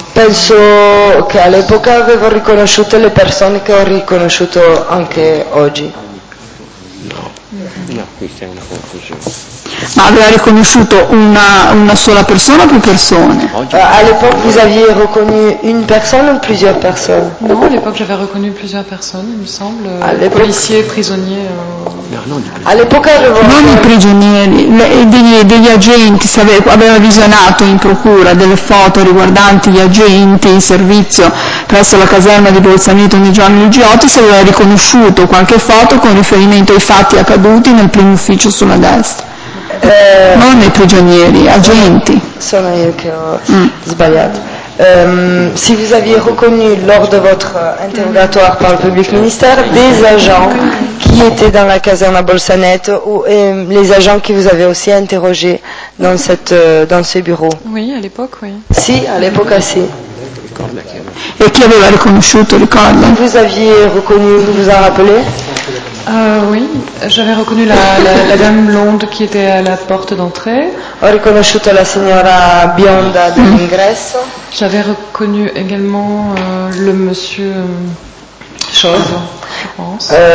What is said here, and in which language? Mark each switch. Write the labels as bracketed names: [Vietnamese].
[Italian] Penso che all'epoca avevo riconosciuto le persone che ho riconosciuto anche oggi. No, qui c'è una confusione. Ma aveva riconosciuto una sola persona o più persone? [French] All'époque vous aviez reconnu une personne ou plusieurs personnes? Non, all'époque j'avais reconnu plusieurs personnes, il me semble. Policiers, prisonniers. All'époque [Italian] non i prigionieri, degli agenti, aveva visionato in procura delle foto riguardanti gli agenti in servizio presso la caserma di Bolzaneto nei giorni del G8, se aveva riconosciuto qualche foto con riferimento ai fatti accaduti nel primo ufficio sulla destra. Non i prigionieri, agenti. Sono io che ho sbagliato. [French] Si vous aviez reconnu lors de votre interrogatoire par le public ministère des agents qui étaient dans la caserne à Bolzaneto ou les agents qui vous avaient aussi interrogé dans ce bureau? Oui, à l'époque, oui. [Italian] Si, [French] à l'époque, [Italian] si. [French] Et qui avait reconnu, ricorda? Vous aviez reconnu, vous vous en rappelez? Oui, j'avais reconnu la dame blonde qui était à la porte d'entrée. [Italian] Ho riconosciuto la signora bionda dell'ingresso. [French] J'avais reconnu également le monsieur Chauve, je pense.